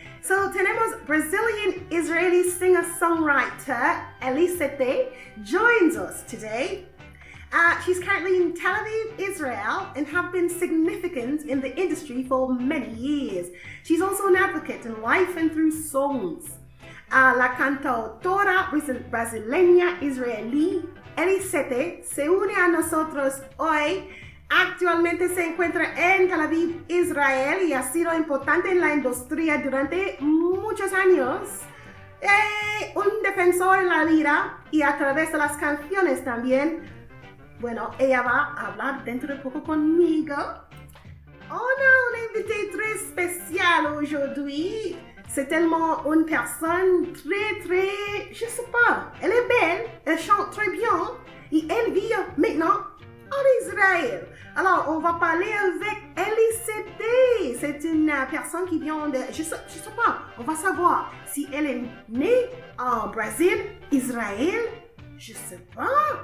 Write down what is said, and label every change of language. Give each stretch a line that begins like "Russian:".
English: So tenemos Brazilian Israeli singer-songwriter Elisete joins us today. She's currently in Tel Aviv, Israel, and have been significant in the industry for many years. She's also an advocate in life and through songs.
Spanish: La cantautora brasileña israelí Elisete se une a nosotros hoy. Actualmente se encuentra en Tel Aviv, Israel, y ha sido importante en la industria durante muchos años. Un defensor en la vida y a través de las canciones también. Bueno, ella va a hablar dentro de poco conmigo. Hola, un invitado especial hoy.
French: C'est tellement une personne très, je sais pas. Elle est belle, elle chante très bien et elle vit maintenant en Israël. Alors, on va parler avec Elisete. C'est une personne qui vient de, je sais pas. On va savoir si elle est née en Brésil, Israël, je sais pas.